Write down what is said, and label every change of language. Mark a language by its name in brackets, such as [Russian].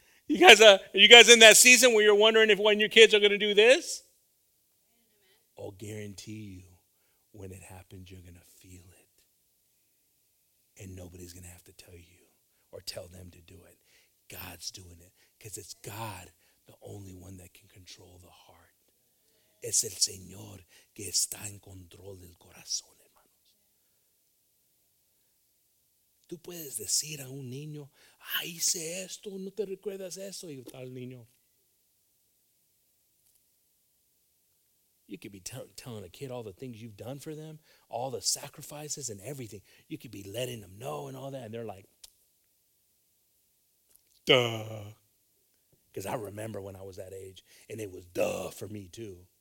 [English] You guys in that season where you're wondering if when your kids are going to do this? I'll guarantee you, when it happens, you're going to feel it. And nobody's going to have to tell you or tell them to do it. God's doing it because it's God, the only one that can control the heart. [Spanish] Es el Señor que está en control del corazón, hermanos. Tú puedes decir a un niño, ah, hice esto, no te recuerdas eso, y tal niño. [English] You could be telling a kid all the things you've done for them, all the sacrifices and everything. You could be letting them know and all that, and they're like, duh. Because I remember when I was that age, and it was duh for me too.